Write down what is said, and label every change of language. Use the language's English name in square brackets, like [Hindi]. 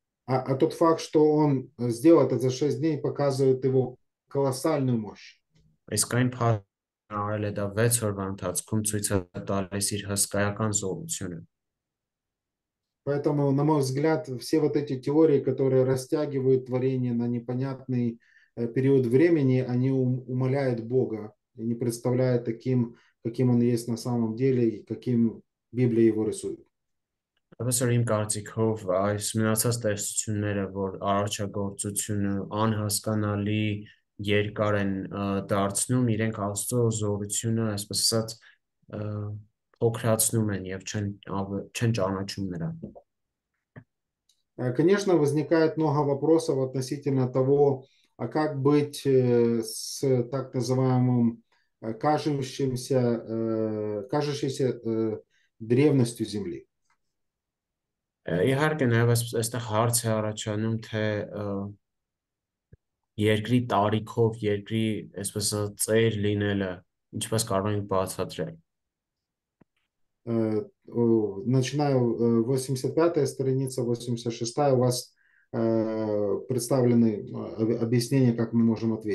[Russian] А тот факт, что он сделал это за 6 дней, показывает его колоссальную мощь. [Armenian] Իսկ այն փաստը, որ արել է դա 6-օրվա ընթացքում, ցույց է տալիս իր հսկայական զորությունը։ [Russian] Поэтому, на мой взгляд, все вот эти теории, которые растягивают творение на непонятный период времени, они умаляют Бога и не представляют таким, каким он есть на самом деле и каким Библия его рисует. [Armenian] Այս իմ կարծիքով այս մնացած տեսությունները, որ առաջագործությունը անհասկանալի երկար են դարձնում, իրենք Աստծո զորությունը, այսպես ասած, օգրացնում են եւ չեն ճանաչում նրան։ [Russian] Конечно, возникает много вопросов относительно того, а как быть с так называемым кажущейся древностью земли. [Armenian] Իհարկե նաեւ այստեղ հարց է առաջանում, թե երկրի տարիքով երկրի այսպես ծեր լինելը ինչպես կարող ենք բացատրել։ [Russian] Начиная 85-я страница, 86-я, у вас представлены объяснения, как мы можем